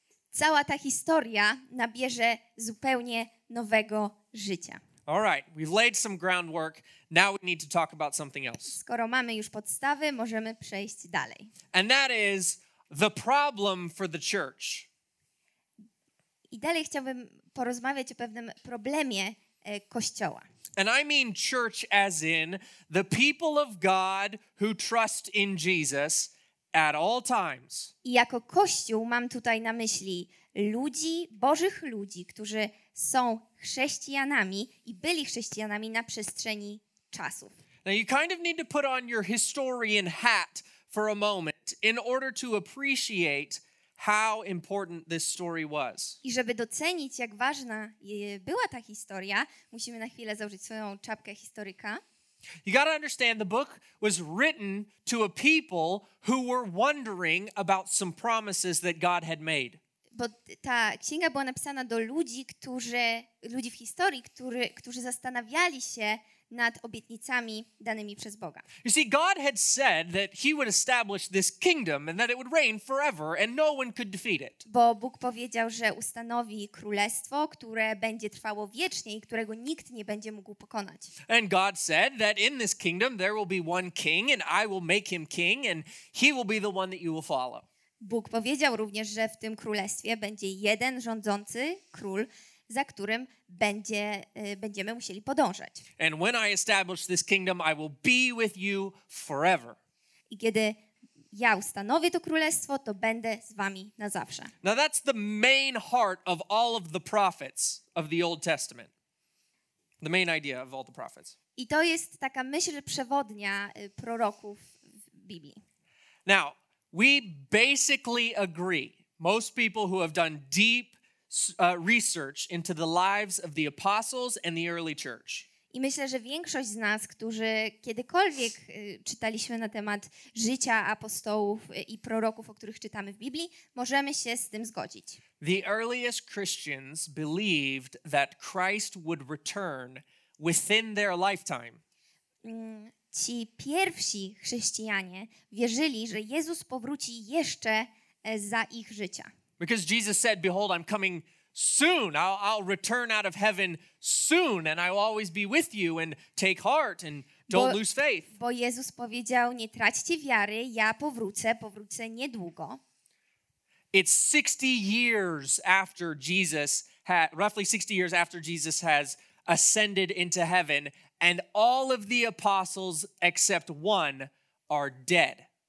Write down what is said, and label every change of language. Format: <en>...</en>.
<pl>Cała ta historia nabierze zupełnie nowego życia.</pl> <en>All right, we've laid some groundwork. Now we need to talk about something else.</en> <pl>Skoro mamy już podstawy, możemy przejść dalej.</pl> <en>And that is the problem for the church.</en> <pl>I dalej chciałbym porozmawiać o pewnym problemie Kościoła.</pl> <en>And I mean church as in the people of God who trust in Jesus at all times.</en> <pl>I jako Kościół mam tutaj na myśli ludzi, Bożych ludzi, którzy są chrześcijanami i byli chrześcijanami na przestrzeni czasów.</pl> <en>Now you kind of need to put on your historian hat for a moment in order to appreciate how important this story was.</en> <pl>I żeby docenić, jak ważna była ta historia, musimy na chwilę założyć swoją czapkę historyka.</pl> <en>You gotta understand, the book was written to a people who were wondering about some promises that God had made.</en> <pl>Bo ta księga była napisana do ludzi w historii, którzy zastanawiali się nad obietnicami danymi przez Boga.</pl> <en>You see, God had said that he would establish this kingdom and that it would reign forever and no one could defeat it.</en> <pl>Bo Bóg powiedział, że ustanowi królestwo, które będzie trwało wiecznie i którego nikt nie będzie mógł pokonać.</pl> <en>And God said that in this kingdom there will be one king and I will make him king and he will be the one that you will follow.</en> <pl>Bóg powiedział również, że w tym królestwie będzie jeden rządzący król, za którym będziemy musieli podążać.</pl> <en>And when I establish this kingdom, I will be with you forever.</en> <pl>I kiedy ja ustanowię to królestwo, to będę z wami na zawsze.</pl> <en>Now that's the main heart of all of the prophets of the Old Testament. The main idea of all the prophets.</en> <pl>I to jest taka myśl przewodnia proroków w Biblii.</pl> <en>Now, we basically agree. Most people who have done deep research into the lives of the apostles and the early church.</en> <pl>I myślę, że większość z nas, którzy kiedykolwiek czytaliśmy na temat życia apostołów i proroków, o których czytamy w Biblii, możemy się z tym zgodzić.</pl> <en>The earliest Christians believed that Christ would return within their lifetime.</en> <pl>ci pierwsi chrześcijanie wierzyli, że Jezus powróci jeszcze za ich życia.</pl> <en>Because Jesus said, behold, I'm coming soon. I'll return out of heaven soon and I'll always be with you and take heart and don't lose faith.</en> <pl>Bo Jezus powiedział, nie traćcie wiary, ja powrócę niedługo.</pl> <en>It's 60 years after Jesus had, roughly 60 years after Jesus has ascended into heaven, and all of the apostles except one are dead.</en>